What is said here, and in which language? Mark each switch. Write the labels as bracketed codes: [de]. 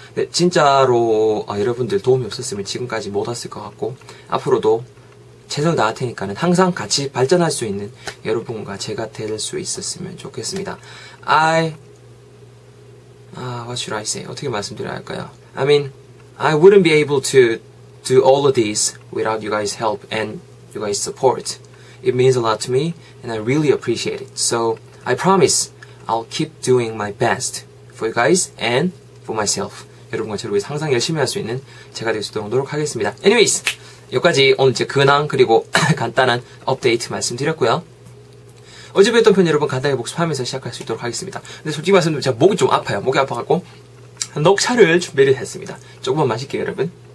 [ko] 네, 진짜로 여러분들 도움이 없었으면 지금까지 못 왔을 것 같고 앞으로도 최선을 다할 테니까는 항상 같이 발전할 수 있는 여러분과 제가 될 수 있었으면 좋겠습니다. [en] What should I say? [ko] 어떻게 말씀드려야 할까요? [en] I mean, I wouldn't be able to do all of this without you guys' help and you guys' support. It means a lot to me and I really appreciate it. So, I promise I'll keep doing my best for you guys and for myself. [ko] 여러분과 저를 위해서 항상 열심히 할 수 있는 제가 될 수 있도록 노력하겠습니다. Anyways, 여기까지 오늘 제 근황 그리고 간단한 업데이트 말씀드렸고요. 어제 배웠던 편 여러분 간단하게 복습하면서 시작할 수 있도록 하겠습니다. 근데 솔직히 말씀드리면 제가 목이 좀 아파요. 목이 아파갖고 녹차를 준비를 했습니다. 조금만 마실게요, 여러분.